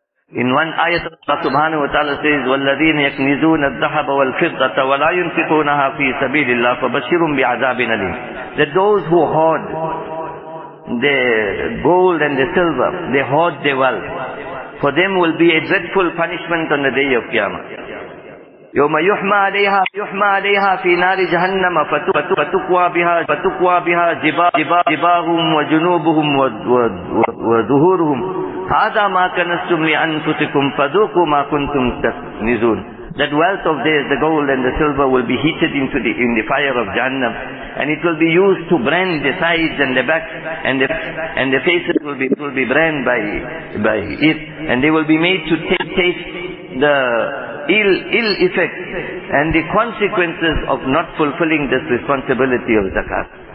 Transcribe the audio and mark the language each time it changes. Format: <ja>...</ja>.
<en>In one ayat Allah subhanahu wa ta'ala says,</en> <ar>وَالَّذِينَ يَكْنِزُونَ الذَّهَبَ وَالْفِضَّةَ وَلَا يُنْفِقُونَهَا فِي سَبِيلِ اللَّهِ فَبَشِّرُهُمْ بِعَذَابٍ أَلِيمٍ.</ar> <en>That those who hoard their gold and their silver, they hoard their wealth, for them will be a dreadful punishment on the day of Qiyamah.</en> <ar>يوم يحمى عليها في نار جهنم فتكوى بها جباههم وجنوبهم وظهورهم هذا ما كنتم لأنفسكم فذوقوا ما كنتم تكنزون.</ar> <en>That wealth of theirs, the gold and the silver, will be heated in the fire of Jahannam, and it will be used to brand the sides and the backs, and the faces will be brand by it, and they will be made to taste the ill effect and the consequences of not fulfilling this responsibility of zakat.</en>